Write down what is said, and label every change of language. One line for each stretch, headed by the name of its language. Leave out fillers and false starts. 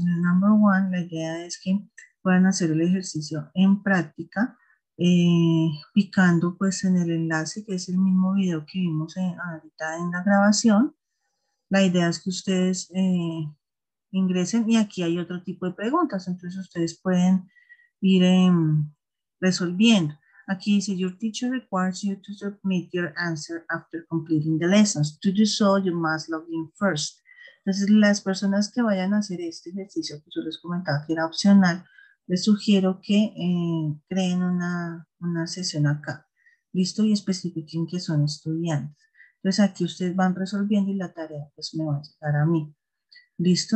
Spanish: En el number one, la idea es que puedan hacer el ejercicio en práctica, picando pues en el enlace, que es el mismo video que vimos ahorita en la grabación. La idea es que ustedes ingresen y aquí hay otro tipo de preguntas, entonces ustedes pueden ir resolviendo. Aquí dice,
English: your teacher requires you to submit your answer after completing the lessons. To do so, you must log in first.
Spanish: Entonces, las personas que vayan a hacer este ejercicio que yo les comentaba que era opcional, les sugiero que creen una sesión acá. Listo, y especifiquen que son estudiantes. Entonces, aquí ustedes van resolviendo y la tarea pues me va a llegar a mí. ¿Listo?